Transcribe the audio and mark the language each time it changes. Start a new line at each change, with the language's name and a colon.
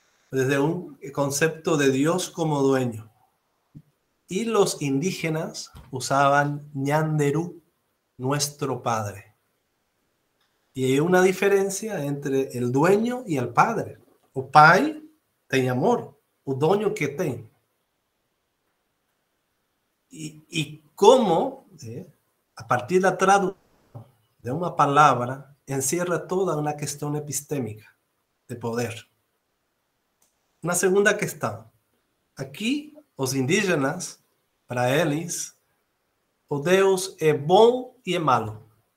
Spanish: Desde un concepto de Dios como dueño. Y los indígenas usaban Ñanderú, nuestro padre. Y hay una diferencia entre el dueño y el padre.
Portuguese: O pai tem amor, o dueño que tem.
Spanish: Y cómo, a partir de la traducción de una palabra, encierra toda una cuestión epistémica de poder. Una segunda cuestión. Aquí, los indígenas, para ellos, o Deus es bom y es malo.